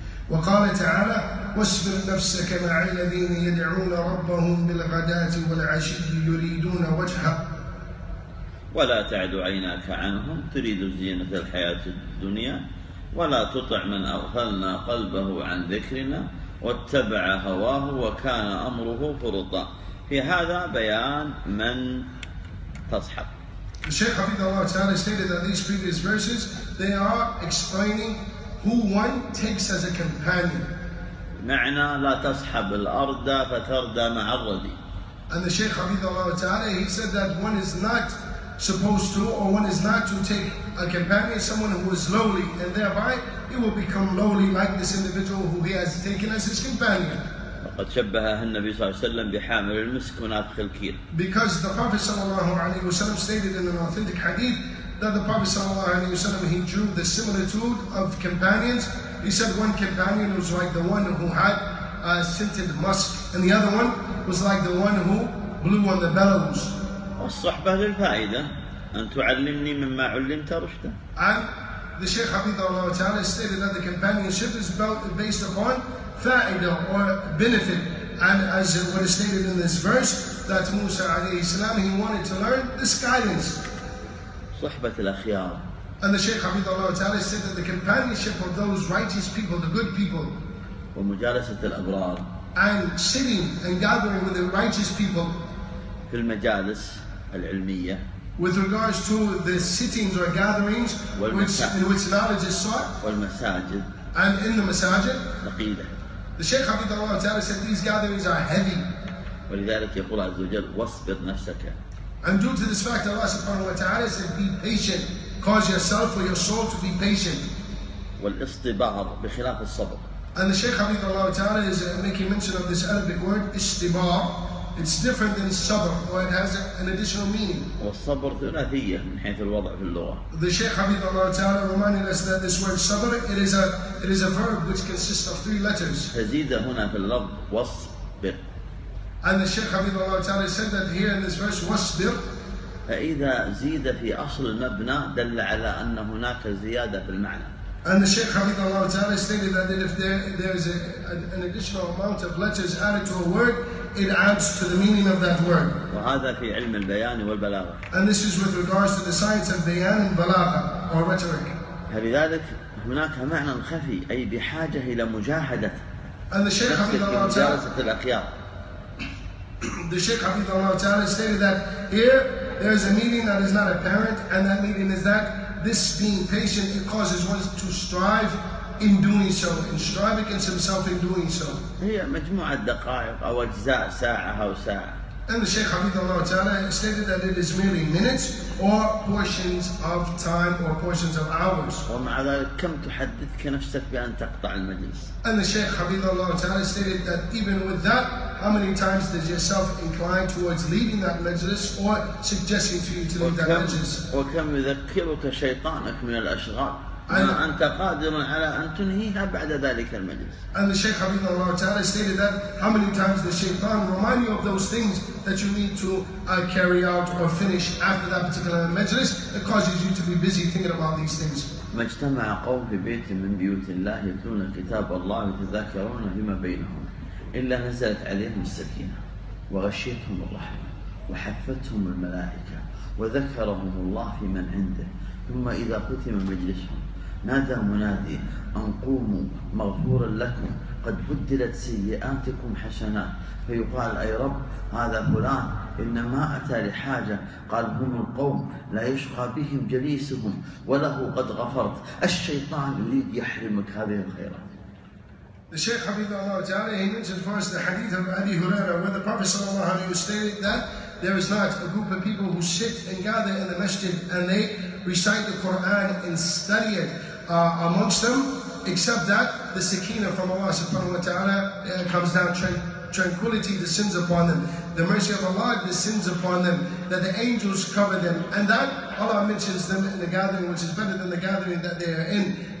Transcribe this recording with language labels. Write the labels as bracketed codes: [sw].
[ar] وقال تعالى: واصبر نفسك مع الذين يدعون ربهم بالغداة والعشي يريدون وجهه. ولا تعد عيناك عنهم تريد زينة الحياة الدنيا، ولا تطع من أغفلنا قلبه عن ذكرنا واتبع هواه وكان أمره فرطا. في هذا بيان من تصحب. [en] The Shaykh Hafidh Allah Ta'ala stated that these previous verses, they are explaining who one takes as a companion. [ar] معنى لا تصحب الأرض فتردى مع الردي. [en] And the Shaykh Hafidh Allah Ta'ala, he said that one is not supposed to, or one is not to take a companion, someone who is lowly, and thereby he will become lowly like this individual who he has taken as his companion. [ar] قد شبهها النبي صلى الله عليه وسلم بحامل المسك وناطخ الكير. [en] Because the Prophet صلى الله عليه وسلم stated in an authentic hadith that the Prophet صلى الله عليه وسلم he drew the similitude of companions. He said one companion was like the one who had a scented musk, and the other one was like the one who blew on the bellows. [ar] والصحبة للفائدة أن تعلمني مما علمت رشدا. [en] And the Shaykh حفظه الله تعالى stated that the companionship is based upon فائدة or benefit, and as it was stated in this verse that Musa عليه السلام he wanted to learn this guidance. [ar] صحبة الأخيار. [en] And the Shaykh حفظه الله تعالى said that the companionship of those righteous people, the good people. [ar] ومجالسة الأبرار. [en] And sitting and gathering with the righteous people. [ar] في المجالس العلمية. [en] With regards to the sittings or gatherings in which knowledge is sought. [ar] والمساجد. [en] And in the masajid. [ar] نقيلة. [en] The Shaykh حفظه الله تعالى said these gatherings are heavy. [ar] ولذلك يقول عز وجل واصبر نفسك. [en] And due to this fact Allah subhanahu wa ta'ala said be patient, cause yourself or your soul to be patient. [ar] والاصطبار بخلاف الصبر. [en] And the Shaykh حفظه الله تعالى is making mention of this Arabic word istibar. It's different than sabr, or it has an additional meaning. [ar] والصبر ثلاثية من حيث الوضع في اللغة. [en] The Shaykh حفظه الله تعالى reminded us that this word sabr it is a verb which consists of three letters. [ar] تزيد هنا في اللفظ واصبر. [en] And the Shaykh حفظه الله تعالى said that here in this verse واصبر. [ar] فإذا زيد في أصل المبنى دل على أن هناك زيادة في المعنى. [en] And the Shaykh حفظه الله تعالى stated that if there is an additional amount of letters added to a word, it adds to the meaning of that word. [ar] وهذا في علم البيان والبلاغة. [en] And this is with regards to the science of bayan and balagha or rhetoric. [ar] فلذلك هناك معنى خفي أي بحاجة إلى مجاهدة. [en] And the Shaykh حفظه الله تعالى. [ar] مجالسة الأخيار. [en] The Shaykh حفظه الله تعالى stated that here there is a meaning that is not apparent, and that meaning is that this being patient it causes one to strive in doing so, and strive against himself in doing so. [ar] هي مجموعة دقائق أو أجزاء ساعة أو ساعة. [en] And the Shaykh حفظه الله تعالى stated that it is merely minutes or portions of time or portions of hours. [ar] ومع ذلك كم تحدثك نفسك بأن تقطع المجلس. [en] And the Shaykh حفظه الله تعالى stated that even with that, how many times does yourself incline towards leaving that majlis or suggesting to you to leave that majlis. [ar] وكم يذكرك شيطانك من الأشغال. ما أنت قادر على أن تنهيها بعد ذلك المجلس. [en] And the Shaykh حفظه الله تعالى stated that how many times the shaytan remind you of those things that you need to carry out or finish after that particular majlis, it causes you to be busy thinking about these things. [ar] ما اجتمع قوم في بيت من بيوت الله يتلون كتاب الله يتذاكرون فيما بينهم إلا نزلت عليهم السكينة وغشيتهم الرحمة وحفتهم الملائكة وذكرهم الله في من عنده ثم إذا ختم مجلسهم نادى منادي أن قوموا مغفورا لكم قد بدلت سيئاتكم حسنات فيقال أي رب هذا فلان إنما أتى لحاجة قال هم القوم لا يشقى بهم جليسهم وله قد غفرت الشيطان يريد يحرمك هذه الخيرات. [en] The Shaykh Hafidhullah Ta'ala, he mentioned for us the hadith of Abi Huraira, where the Prophet Sallallahu Alaihi Wasallam stated that there is not a group of people who sit and gather in the masjid and they recite the Quran and study it amongst them, except that the Sakina from Allah Subhanahu Wa Ta'ala comes down, tranquility descends upon them, the mercy of Allah descends upon them, that the angels cover them, and that Allah mentions them in the gathering, which is better than the gathering that they are in.